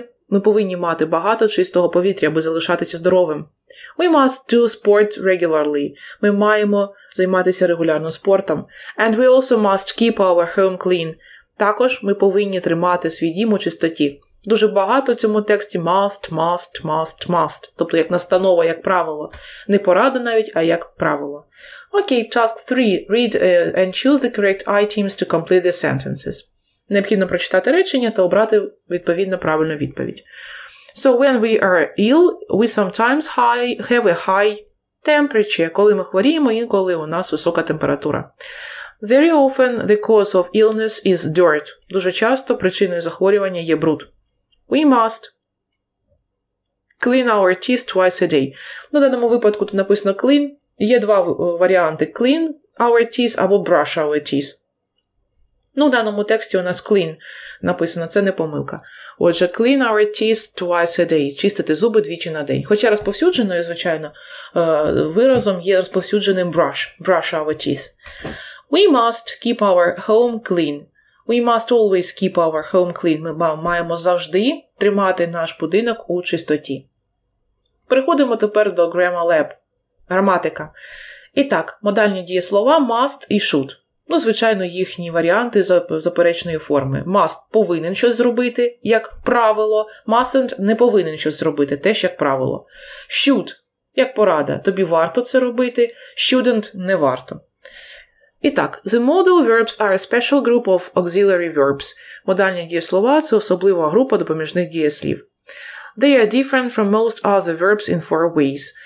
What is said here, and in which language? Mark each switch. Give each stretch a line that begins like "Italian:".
Ukrainian: Ми повинні мати багато чистого повітря, аби залишатися здоровим.
English: We must do sport regularly.
Ukrainian: Ми маємо займатися регулярно спортом.
English: And we also must keep our home clean.
Ukrainian: Також ми повинні тримати свій дім у чистоті. Дуже багато в цьому тексті must, must, must, must. Тобто як настанова, як правило. Не порада навіть, а як правило.
English: Okay, task 3. Read and choose the correct items to complete the sentences.
Ukrainian: Необхідно прочитати речення та обрати відповідно правильну відповідь.
English: So when we are ill, we sometimes have a high temperature.
Ukrainian: Коли ми хворіємо, інколи у нас висока температура.
English: Very often the cause of illness is dirt.
Ukrainian: Дуже часто причиною захворювання є бруд.
English: We must clean our teeth twice a day.
Ukrainian: На даному випадку тут написано clean. Є два варіанти.
English: Clean our teeth
Ukrainian: або
English: brush our teeth.
Ukrainian: Ну, в даному тексті у нас clean написано, це не помилка. Отже,
English: clean our teeth twice a day.
Ukrainian: Чистити зуби двічі на день. Хоча розповсюдженою, звичайно, виразом є розповсюдженим brush.
English: Brush our teeth. We must keep our home clean. We must always keep our home clean.
Ukrainian: Ми маємо завжди тримати наш будинок у чистоті. Переходимо тепер до Grammar Lab. Граматика. І так, модальні дієслова must і should. Ну, звичайно, їхні варіанти заперечної форми. Must – повинен щось зробити, як правило. Mustn't – не повинен щось зробити, теж як правило. Should – як порада. Тобі варто це робити. Shouldn't – не варто. І так,
English: the modal verbs are a special group of auxiliary verbs.
Ukrainian: Модальні дієслова – це особлива група допоміжних дієслів.
English: They are different from most other verbs in four ways.